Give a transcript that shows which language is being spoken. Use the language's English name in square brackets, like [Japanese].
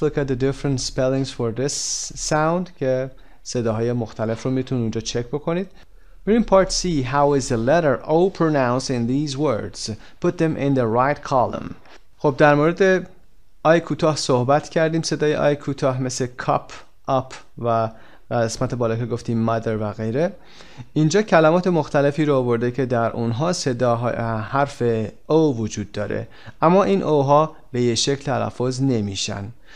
[English] Look at the different spellings for this sound. [Persian] که صداهای مختلف رو میتونید اونجا چک بکنید. [English] We're in part C. How is the letter O pronounced in these words? Put them in the right column. [Persian] خب در مورد آی کوتاه صحبت کردیم، صدای آی کوتاه مثل کاپ، آپ و قسمت بالا که گفتیم مادر و غیره. اینجا کلمات مختلفی رو آورده که در اونها صداهای حرف او وجود داره، اما این اوها به یه شکل تلفظ نمیشن.